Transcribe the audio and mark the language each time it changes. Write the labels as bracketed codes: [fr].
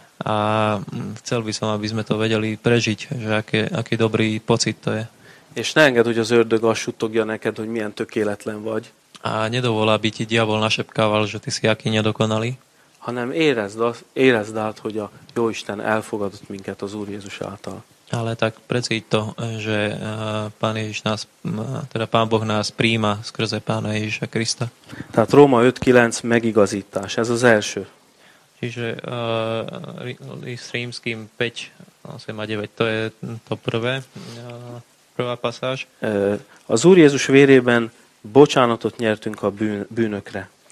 [sk] A chcel by som, aby sme to vedeli prežiť, že aký dobrý pocit to je. [hu] És ne enged, hogy az ördög azt suttogja neked, hogy milyen tökéletlen vagy. [sk] A nedovol, aby ti diabol našepkával, že ty si aký nedokonalý. [hu] Hanem érezd át, hogy a Jóisten elfogadott minket az Úr Jézus által. [sk] Ale tak precíť to, že Pán Ježiš nás, teda Pán Boh nás príjma skrze Pána Ježiša Krista. [hu] Tehát Róma 5.9 megigazítás, ez az első. [sk] Čiže list rímským 5, 9, to je to prvé, prvá pasáž. [hu] Az Úr Jézus vérében bocsánatot nyertünk a bűnökre.